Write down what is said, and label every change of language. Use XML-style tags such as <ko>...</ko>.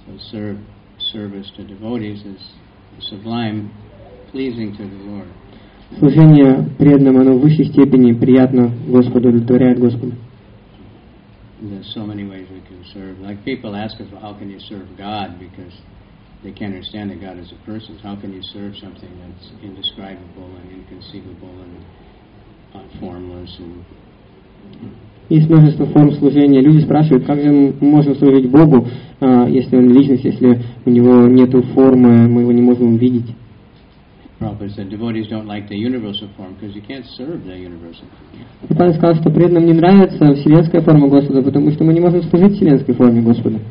<en>So service to devotees is sublime, pleasing to the Lord.</en> <ru>Служение преданным, оно в высшей степени приятно Господу, удовлетворяет Господу.</ru> <en>There's so many ways we can serve. Like people ask us, well, how can you serve God? Because they can't understand that God is a person. How can you serve something that's indescribable and inconceivable and formless?</en> <ru>Есть множество форм служения. Люди спрашивают, как же мы можем служить Богу, если он личность, если у него нету формы, мы его не можем увидеть.</ru> <en>Prabhupada said devotees don't like the universal form because you can't serve the universal form.</en> <ru>Prabhupada сказал, что преданным не нравится вселенская форма Господа, потому что мы не можем служить вселенской форме Господа.</ru>